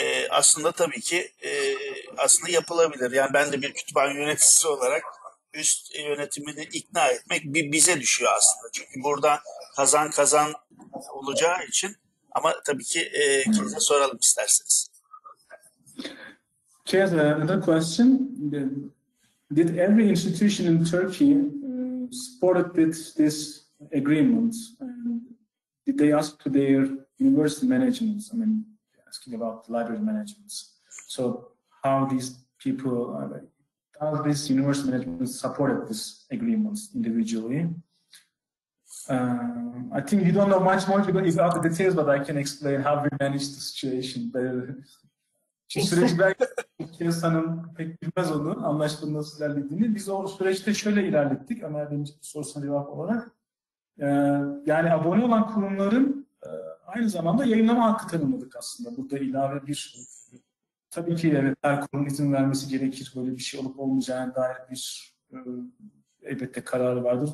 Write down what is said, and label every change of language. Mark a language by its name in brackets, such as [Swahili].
[Turkish] Aslında tabii ki aslında yapılabilir. Yani ben de bir kütüphane yöneticisi olarak üst yönetimini ikna etmek bize düşüyor aslında. Çünkü burada kazan kazan olacağı için ama tabii ki kimse soralım isterseniz. [English] Okay, another question. Did every institution in Turkey supported this agreement? Did they ask to their university management? I mean, asking about library management. So how these people are, how this university management supported this agreement individually? I think you don't know much more about the details, but I can explain how we managed the situation. [Turkish] Süreç belki Türkiye Hanım pek bilmez onu, anlaşmanın nasıl ilerlediğini. Biz o süreçte şöyle ilerlettik, Ömer Bey'in sorusuna cevap olarak. Yani abone olan kurumların aynı zamanda yayınlama hakkı tanımladık aslında. Burada ilave bir, tabii ki evet her kurumun izin vermesi gerekir, böyle bir şey olup olmayacağına dair bir elbette kararı vardır.